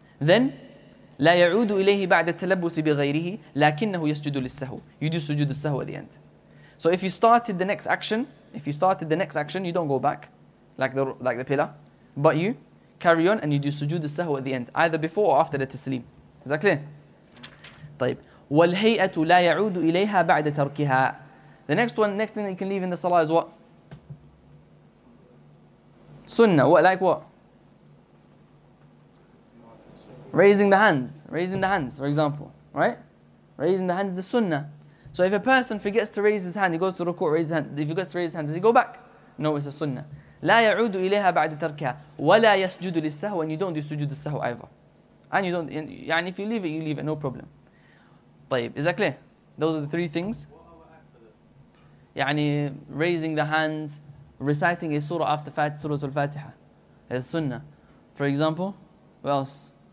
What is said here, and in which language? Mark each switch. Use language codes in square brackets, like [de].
[en] Then, [ar] لا يعود إليه بعد التلبس بغيره لكنه يسجد للسهو. [en] You do sujood al-sahu at the end. So if you started the next action, you don't go back, like the pillar, but you carry on and you do sujood al-sahu at the end, either before or after the taslim. Is that clear? [ar] طيب. والهيئة لا يعود إليها بعد تركها. [en] The next thing that you can leave in the salah is what? Sunnah. What, like what? Raising the hands, for example, right? Raising the hands is the sunnah. So if a person forgets to raise his hand, he goes to ruku', raise his hand. If he forgets to raise his hand, does he go back? No, it's a sunnah. [ar] لا يعود إليها بعد تركها ولا يسجد للسهو. [en] And you don't do sujood al-sahu either. And you don't, [ar] يعني [en] if you leave it, you leave it, no problem. [ar] طيب, [en] is that clear? Those are the three things. [ar] يعني [en] raising the hands, reciting a surah after Surah Al-Fatiha is sunnah. For example, what else?